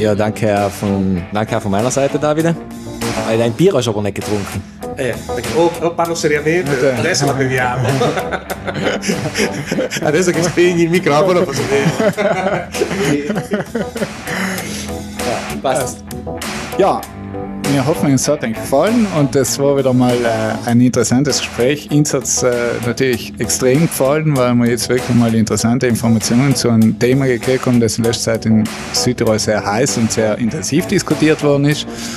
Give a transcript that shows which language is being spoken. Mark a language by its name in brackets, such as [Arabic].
[German] Ja, danke von meiner Seite, Davide. Hai dein Bier hast du aber nicht getrunken. [Italian] Però parlo seriamente, adesso la beviamo. Adesso che spegni il microfono posso bere. Basta. Ja. [German] Wir hoffen, es hat euch gefallen und es war wieder mal ein interessantes Gespräch. Uns hat es natürlich extrem gefallen, weil wir jetzt wirklich mal interessante Informationen zu einem Thema gekriegt haben, das in letzter Zeit in Südtirol sehr heiß und sehr intensiv diskutiert worden ist.